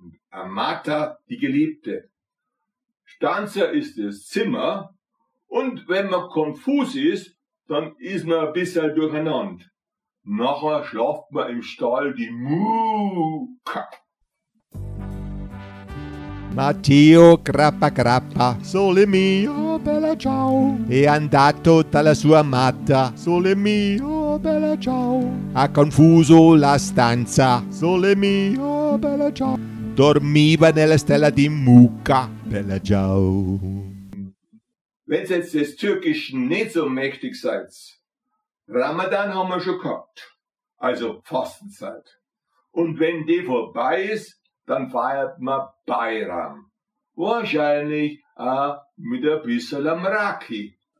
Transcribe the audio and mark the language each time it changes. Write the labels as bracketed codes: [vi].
[de] Amata, die Geliebte. Stanza ist das Zimmer. Und wenn man konfus ist, dann ist man ein bisschen durcheinander. Nachher schlaft man im Stall die Muka. [it] Matteo Grappa Grappa, sole mio bella ciao, è andato dalla sua amata, sole mio bella ciao, ha confuso la stanza, sole mio bella ciao, dormiva nella stella di mucca, Bella Ciao. [de] Wenn ihr jetzt des Türkischen nicht so mächtig seid, Ramadan haben wir schon gehabt, also Fastenzeit. Und wenn die vorbei ist, dann feiert man Bayram. Wahrscheinlich auch mit ein bisschen am Raki.